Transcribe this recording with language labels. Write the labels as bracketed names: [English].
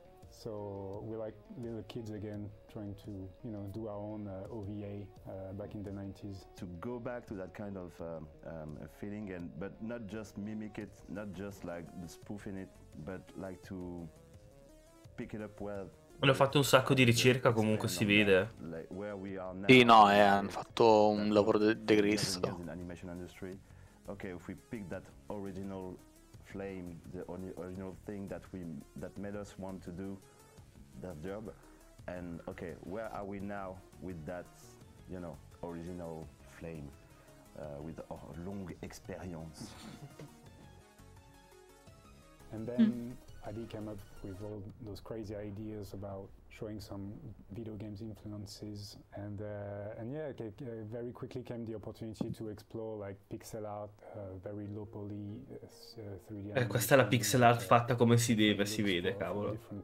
[English] So we're like little kids again, trying to, you know, do our own OVA back in the 90s. To go back to that kind of feeling, but not just mimic it, not just like spoofing it, but like to pick it up well. [Italian] Hanno fatto un sacco di ricerca, comunque si vede. Sì, no, hanno fatto un lavoro de grisso. [English] In animation industry, okay, if we pick that original flame, the original thing that made us want to do that job, and okay, where are we now with that, you know, original flame, with our long experience? And then Adi came up with all those crazy ideas about showing some video games influences, and very quickly came the opportunity to explore like pixel art, very low poly 3D. [Italian] Questa è la pixel art fatta come si deve, si vede, cavolo.